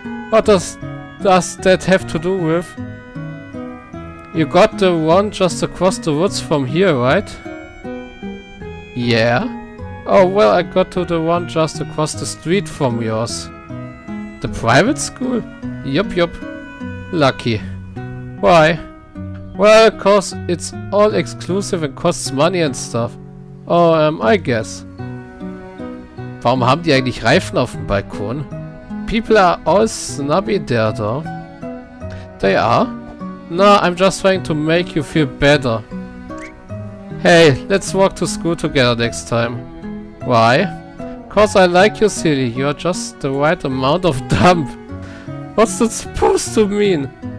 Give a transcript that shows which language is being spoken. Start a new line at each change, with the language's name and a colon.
English: What does that have to do with? You got the one just across the woods from here, right? Yeah. Oh, well, I got to the one just across the street from yours. The private school? Yup, yup. Lucky. Why? Well, cause it's all exclusive and costs money and stuff. Oh, I guess.
German: Warum haben die eigentlich Reifen auf dem Balkon?
English: People are all snobby there, though. They are? No, I'm just trying to make you feel better. Hey, let's walk to school together next time. Why? Cause I like you, silly. You're just the right amount of dumb. What's that supposed to mean?